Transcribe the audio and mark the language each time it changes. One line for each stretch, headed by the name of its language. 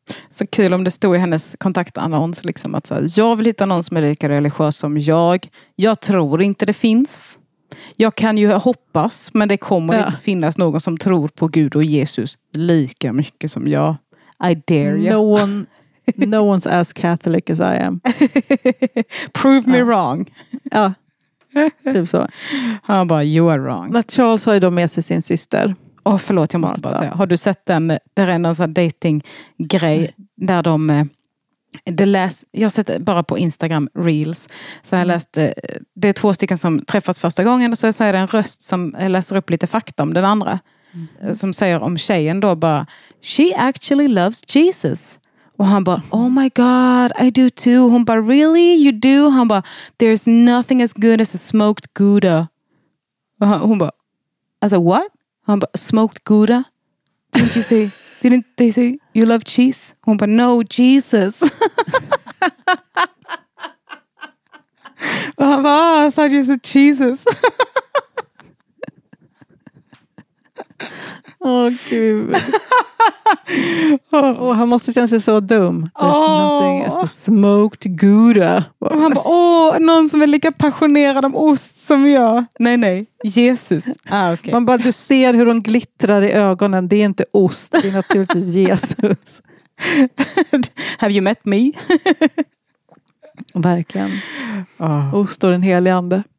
Swedish: Så kul om det stod i hennes kontaktannons liksom att så här, jag vill hitta någon som är lika religiös som jag. Jag tror inte det finns. Jag kan ju hoppas, men det kommer inte finnas någon som tror på Gud och Jesus lika mycket som jag.
English: I dare you. No one's as Catholic as I am. Prove me wrong.
Swedish: Ja, typ så. Han bara,
English: you are wrong.
Swedish: Men Charles har ju då med sig sin syster. Åh, förlåt, jag måste bara säga. Har du sett den där en sån dating-grej där de... jag har sett bara på Instagram Reels. Så jag läst... Det är två stycken som träffas första gången och så är det en röst som läser upp lite fakta om den andra. Mm. Som säger om tjejen då bara...
English: She actually loves Jesus.
Swedish: Och han bara...
English: Oh my god, I do too.
Swedish: Hon bara,
English: really? You do?
Swedish: Han bara...
English: There's nothing as good as a smoked gouda.
Swedish: Och hon bara... Alltså,
English: what?
Swedish: Hon bara,
English: smoked gouda? Didn't you say, didn't they say you love cheese?
Swedish: Hon bara,
English: no,
Swedish: Jesus. Och han bara,
English: I thought you said Jesus.
Swedish: Åh, gud.
English: Oh,
Swedish: han måste känna sig så dum.
English: There's nothing as a smoked gouda.
Swedish: Han bara, någon som är lika passionerad om ost som jag. Nej, nej. Jesus. Ah, okay. Man bara, du ser hur hon glittrar i ögonen. Det är inte ost, det är naturligtvis Jesus.
English: Have you met me?
Swedish: Verkligen.
English: Oh.
Swedish: Ost och den helige ande.